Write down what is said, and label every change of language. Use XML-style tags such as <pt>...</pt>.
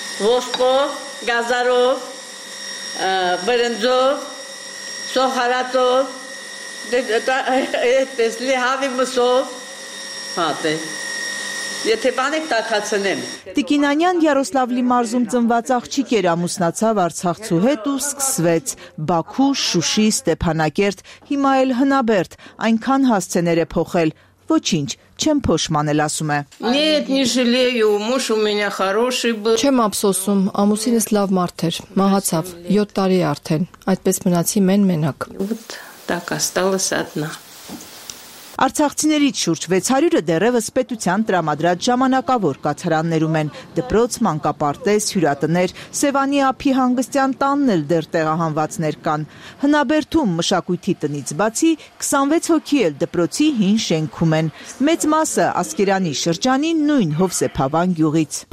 <hy>Ոսկով, գազարով, բրնձով, սոխարատով, այդպես լի հավի մսով, հատե։ Եթե բանեք տակացնեմ։ Տիկինանյան Յարոսլավլի մարզում ծնված աղջիկ էր, ամուսնացավ Արցախցու հետ ու սկսվեց Բաքու, Շուշի, Ստեփանակերտ, հիմա էլ Հնաբերդ, այնքան հասցեներ է փոխել, ոչինչ չեմ փոշմանել, ասում է։</hy> <ru>Нет, не жалею, муж у меня хороший был.</ru> <hy>Չեմ ափսոսում, ամուսինս լավ մարդ էր, մահացավ 7 տարի արդեն, այդպես մնացի մենակ։</hy> <ru>Вот так осталась одна.</ru> <hy>Արցախցիներից շուրջ 600-ը դեռևս պետության տրամադրած ժամանակավոր կացարաններում են՝ դպրոց, մանկապարտեզ, հյուրատներ, Սևանի ափի հանգստյան տանն էլ դեռ տեղահանվածներ կան։ Հնաբերդում մշակույթի տնից բացի 26 հոգի էլ դպրոցի հին շենքում են, մեծ մասը Ասկերանի շրջանի նույն Հովսեփավան գյուղից։</hy>